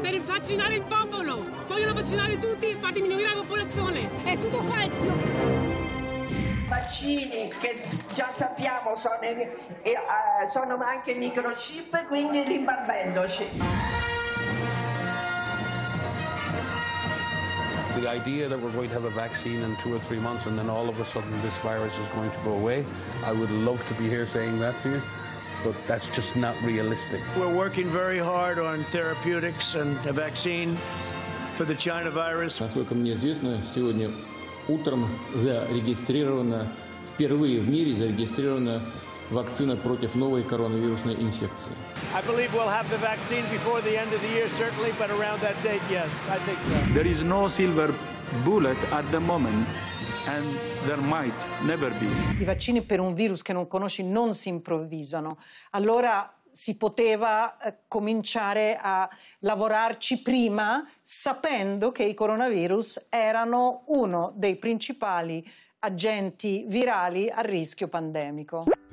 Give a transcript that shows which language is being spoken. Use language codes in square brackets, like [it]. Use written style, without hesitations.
[it] Per vaccinare il popolo. Vogliono vaccinare tutti e far diminuire la popolazione. È tutto falso. Vaccini che già sappiamo sono anche microchip, quindi rimbambendoci. [en] The idea that we're going to have a vaccine in 2 or 3 months and then all of a sudden this virus is going to go away, I would love to be here saying that to you. but that's just not realistic. We're working very hard on therapeutics and a vaccine for the China virus. [ru] Насколько мне известно, сегодня утром зарегистрирована, впервые в мире зарегистрирована вакцина против новой коронавирусной инфекции. [en] I believe we'll have the vaccine before the end of the year, certainly, but around that date, yes, I think so. There is no silver bullet at the moment, and there might never be. [it] I vaccini per un virus che non conosci non si improvvisano. Allora si poteva cominciare a lavorarci prima, sapendo che i coronavirus erano uno dei principali agenti virali a rischio pandemico.